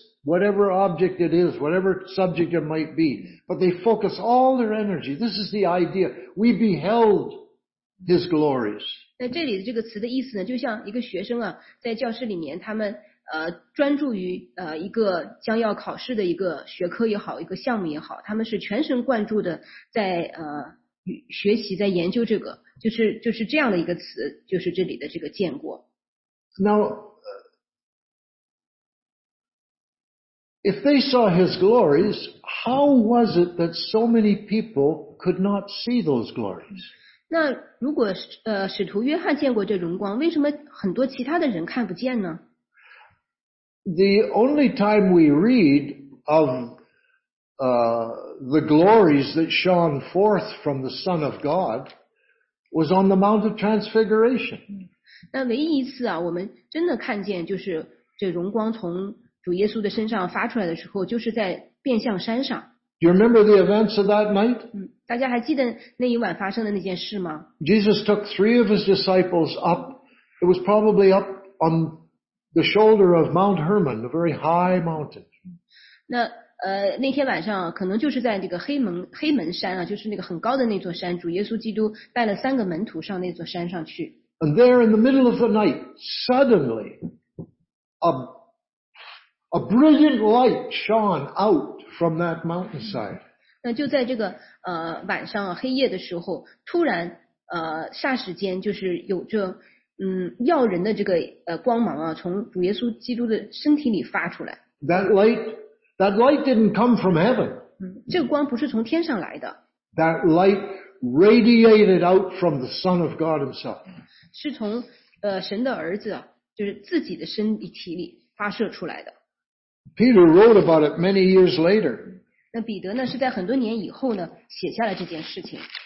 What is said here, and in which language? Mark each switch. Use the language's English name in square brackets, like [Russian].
[English] Whatever object it is, whatever subject it might be, but they focus all their energy. This is the idea. We beheld his glories. [Chinese] 那这里这个词的意思呢，就像一个学生啊，在教室里面，他们专注于一个将要考试的一个学科也好，一个项目也好，他们是全神贯注的在学习，在研究这个，就是这样的一个词，就是这里的这个见过。 [English] Now. If they saw his glories, how was it that so many people could not see those glories? [Chinese] 那如果使徒约翰见过这荣光，为什么很多其他的人看不见呢？ [English] The only time we read of the glories that shone forth from the Son of God was on the Mount of Transfiguration. [Chinese] 那唯一一次啊，我们真的看见就是这荣光从主耶稣的身上发出来的时候，就是在变相山上。 [English] Do you remember the events of that night? [Chinese] 大家还记得那一晚发生的那件事吗？ [English] Jesus took three of his disciples up. It was probably up on the shoulder of Mount Hermon, a very high mountain. [Chinese] 那天晚上可能就是在这个黑门山啊，就是那个很高的那座山。主耶稣基督带了三个门徒上那座山上去。 [English] And there, in the middle of the night, suddenly, A brilliant light shone out from that mountainside. [Chinese] 那就在这个晚上黑夜的时候，突然霎时间就是有着耀人的这个光芒啊，从主耶稣基督的身体里发出来。 [English] That light didn't come from heaven. [Chinese] 这个光不是从天上来的。 [English] That light radiated out from the Son of God Himself. [Chinese] 是从神的儿子，就是自己的身体里发射出来的。 [English] Peter wrote about it many years later. [Chinese] 那彼得呢，是在很多年以后呢，写下了这件事情。